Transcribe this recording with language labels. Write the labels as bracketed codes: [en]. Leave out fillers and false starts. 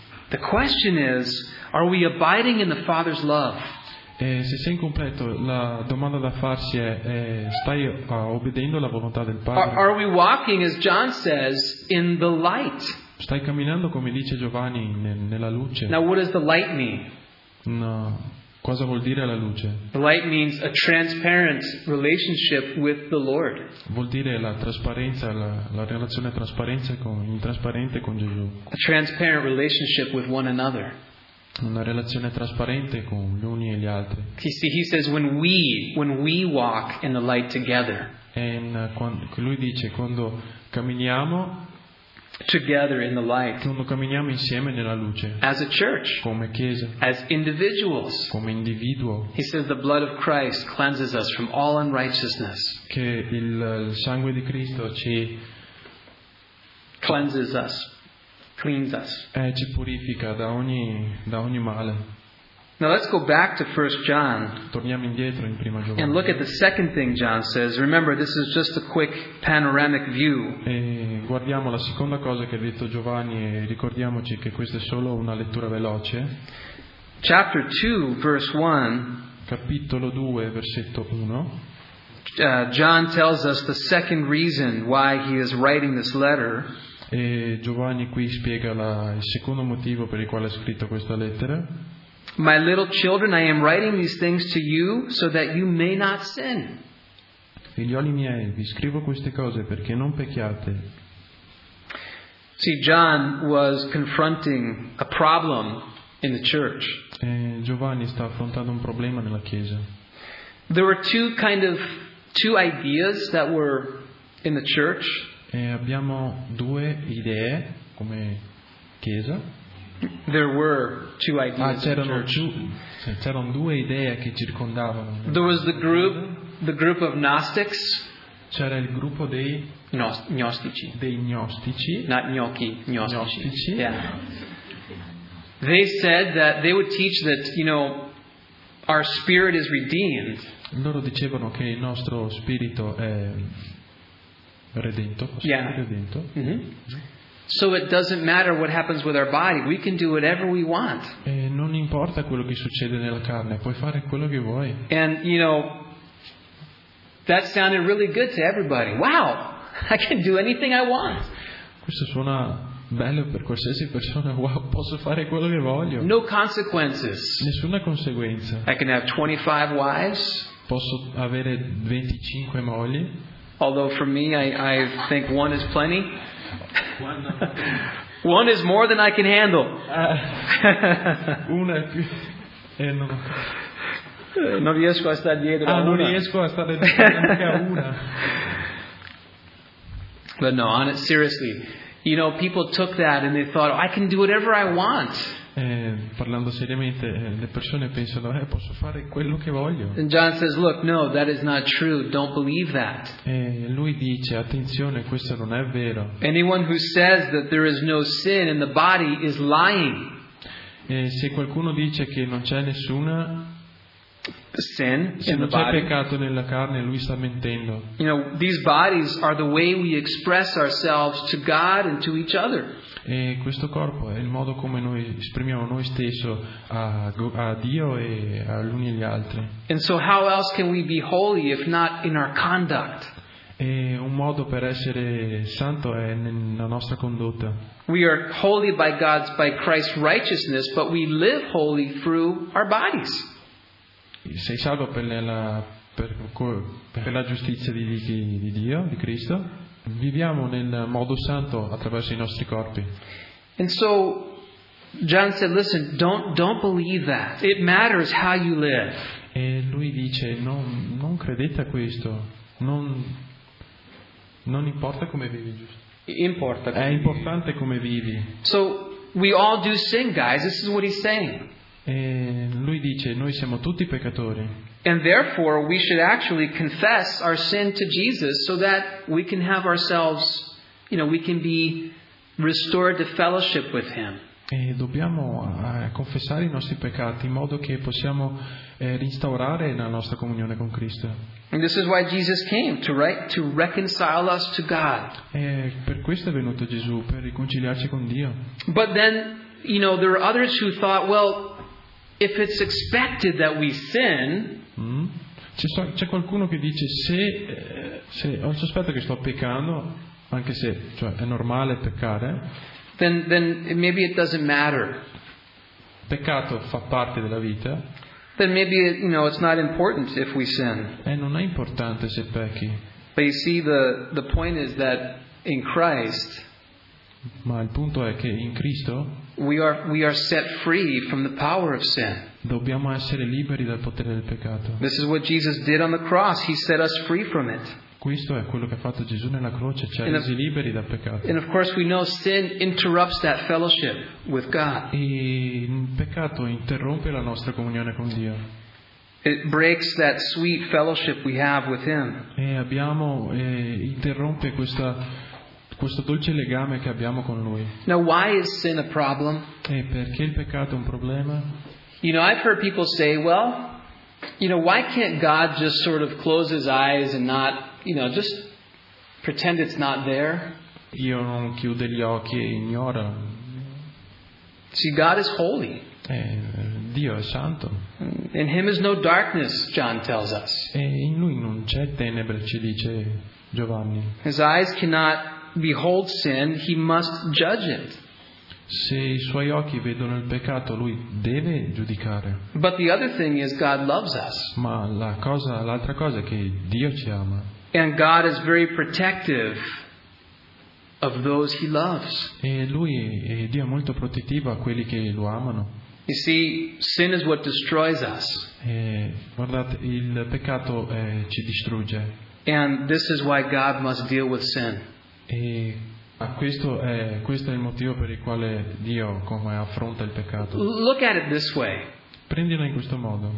[en] the question is, are we abiding in the Father's love? [it] Se sei incompleto, la domanda da farsi è: stai obbedendo la volontà del Padre? [en] Are we walking, as John says, in the light? [it] Stai camminando, come dice Giovanni, nella luce. [en] Now, what does the light mean? [it] No, cosa vuol dire la luce? [en] The light means a transparent relationship with the Lord. [it] Vuol dire la trasparenza, la relazione trasparente con Gesù. [en] A transparent relationship with one another. [it] Una relazione trasparente con gli uni e gli altri. [en] See, he says when we walk in the light together. [it] Lui dice quando camminiamo. [en] Together in the light. [it] Quando camminiamo insieme nella luce. [en] As a church. [it] Come chiesa. [en] As individuals. [it] Come individuo. [en] He says the blood of Christ cleanses us from all unrighteousness. [it] Che il sangue di Cristo ci [en] cleanses us. Cleans us. [it] Ci purifica da ogni male. [en] Now let's go back to 1 John. [it] Torniamo indietro in Prima Giovanni. [en] And look at the second thing John says. Remember, this is just a quick panoramic view. [it] E guardiamo la seconda cosa che ha detto Giovanni e ricordiamoci che questa è solo una lettura veloce. [en] Chapter 2, verse 1. [it] Capitolo 2, versetto 1. [en] John tells us the second reason why he is writing this letter. [it] E Giovanni qui spiega il secondo motivo per il quale ha scritto questa lettera. [en] My little children, I am writing these things to you so that you may not sin. [it] Figlioli miei, vi scrivo queste cose perché non pecchiate. [en] See, John was confronting a problem in the church. [it] E Giovanni sta affrontando un problema nella chiesa. [en] There were two ideas that were in the church. [it] E abbiamo due idee come chiesa. [en] There were two ideas. [it] C'erano due idee che circondavano. [en] There was the group of Gnostics. [it] C'era il gruppo dei gnostici. Dei gnostici. Not gnocchi, gnostici. Gnostici. [en] Yeah. They said that they would teach that, you know, our spirit is redeemed. [it] Loro dicevano che il nostro spirito è redento. [en] Yeah. [it] Redento. Mm-hmm. [en] So it doesn't matter what happens with our body. We can do whatever we want. [it] Non importa quello che succede nella carne, puoi fare quello che vuoi. [en] And you know, that sounded really good to everybody. Wow, I can do anything I want. [it] Questo suona bello per qualsiasi persona. Wow, posso fare quello che voglio. [en] No consequences. [it] Nessuna conseguenza. [en] I can have 25 wives. [it] Posso avere 25 mogli. [en] Although for me, I think one is plenty. One is more than I can handle. [it] Una è più. No. Non riesco a stare dietro. Ah, a una. Non riesco a stare dietro anche a una. [en] But no, on it seriously, you know, people took that and they thought, oh, I can do whatever I want. [it] Parlando seriamente, le persone pensano, posso fare quello che voglio. [en] And John says, look, no, that is not true. Don't believe that. [it] Lui dice, attenzione, questo non è vero. [en] Anyone who says that there is no sin in the body is lying. [it] Se qualcuno dice che non c'è nessuna [en] sin, [it] se non c'è peccato nella carne, lui sta mentendo. [en] You know, these bodies are the way we express ourselves to God and to each other. [it] E questo corpo è il modo come noi esprimiamo noi stessi a Dio e all'uni e agli altri. [en] And so how else can we be holy if not in our conduct? [it] E un modo per essere santo è nella nostra condotta. [en] We are holy by Christ's righteousness, but we live holy through our bodies. [it] Sei salvo per la giustizia di Dio, di Cristo. Viviamo nel modo santo attraverso i nostri corpi. [en] And so John said, "Listen, don't believe that. It matters how you live." [it] E lui dice, non credete a questo. Non importa come vivi, giusto? Importa. È importante come vivi. [en] So we all do sin, guys. This is what he's saying. [it] E lui dice, noi siamo tutti peccatori. [en] And therefore, we should actually confess our sin to Jesus, so that we can have ourselves, you know, we can be restored to fellowship with Him. [it] E dobbiamo confessare i nostri peccati in modo che possiamo ristaurare la nostra comunione con Cristo. [en] And this is why Jesus came, to reconcile us to God. [it] E per questo è venuto Gesù, per riconciliarci con Dio. [en] But then, you know, there are others who thought, well, if it's expected that we sin, [it] c'è qualcuno che dice se ho il sospetto che sto peccando, anche se cioè è normale peccare, [en] then maybe it doesn't matter. [it] Peccato fa parte della vita. [en] Then maybe it, you know, it's not important if we sin. [it] E non è importante se pecchi. [en] But you see, the point is that in Christ. [it] Ma il punto è che in Cristo. [en] We are set free from the power of sin. [it] Dobbiamo essere liberi dal potere del peccato. [en] This is what Jesus did on the cross. He set us free from it. [it] Questo è quello che ha fatto Gesù nella croce, ci ha resi liberi dal peccato. [en] And of course we know sin interrupts that fellowship with God. [it] E il peccato interrompe la nostra comunione con Dio. [en] It breaks that sweet fellowship we have with Him. [it] E abbiamo interrompe questo dolce legame che abbiamo con Lui. [en] Now why is sin a problem? [it] E perché il peccato è un problema? [en] You know, I've heard people say, well, you know, why can't God just sort of close His eyes and not, you know, just pretend it's not there? [it] Io non chiude gli occhi e ignora. [en] See, God is holy. [it] E Dio è santo. [en] In Him is no darkness, John tells us. [it] E in Lui non c'è tenebre, ci dice Giovanni. [en] His eyes cannot behold sin, He must judge it. [it] Se i suoi occhi vedono il peccato, lui deve giudicare. [en] But the other thing is God loves us. [it] Ma l'altra cosa è che Dio ci ama. [en] And God is very protective of those He loves. [it] E Dio è molto protettivo a quelli che lo amano. [en] You see, sin is what destroys us. [it] E guardate, il peccato ci distrugge. [en] And this is why God must deal with sin. [it] E questo è il motivo per il quale Dio come affronta il peccato. [en] Look at it this way. [it] Prendila in questo modo.